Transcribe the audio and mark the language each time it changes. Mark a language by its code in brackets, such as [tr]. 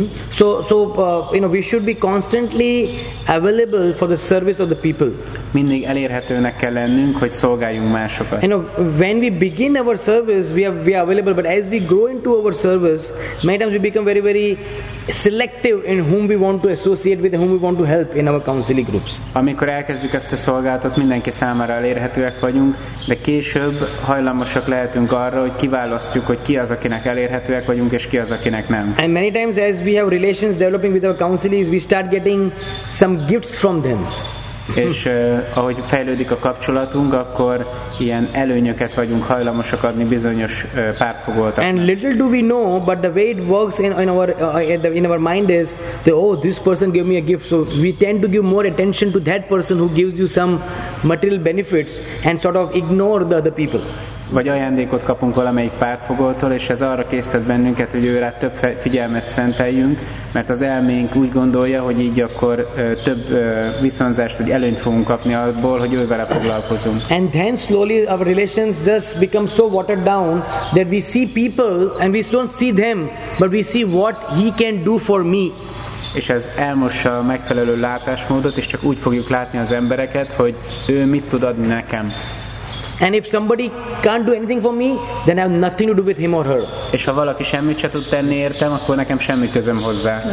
[en] So we should be constantly available for the service of the people. [hu] Mindig elérhetőnek kell lennünk, hogy szolgáljunk másokat. [en] You know, when we begin our service, we are available, but as we grow into our service, many times we become very, very selective in whom we want to associate with, whom we want to help in our counseling groups. [hu] Amikor elkezdjük ezt a szolgálatot, mindenki számára elérhetőek vagyunk, de később hajlamosak lehetünk arra, hogy kiválasztjuk, hogy ki az, akinek elérhetőek vagyunk, és ki az, akinek nem. [en] And many times as we have relations developing with our counselees, we start getting some gifts from them. [hu] És ahogy fejlődik a kapcsolatunk, akkor ilyen előnyöket vagyunk hajlamosak adni bizonyos pártfogoltaknak. [en] And little do we know, but the way it works in our mind is that this person gave me a gift, so we tend to give more attention to that person who gives you some material benefits and sort of ignore the other people. [hu] Vagy ajándékot kapunk valamelyik pártfogótól, és ez arra késztet bennünket, hogy őre több figyelmet szenteljünk, mert az elménk úgy gondolja, hogy így akkor több viszonzást, vagy előnyt fogunk kapni abból, hogy ővele foglalkozunk. [en] And then slowly our relations just become so watered down that we see people and we don't see them, but we see what he can do for me. [hu] És ez elmossa a megfelelő látásmódot, és csak úgy fogjuk látni az embereket, hogy ő mit tud adni nekem. [en] And if somebody can't do anything for me, then I have nothing to do with him or her. [hu] És ha valaki semmit se tud tenni értem, akkor nekem semmi közöm hozzá.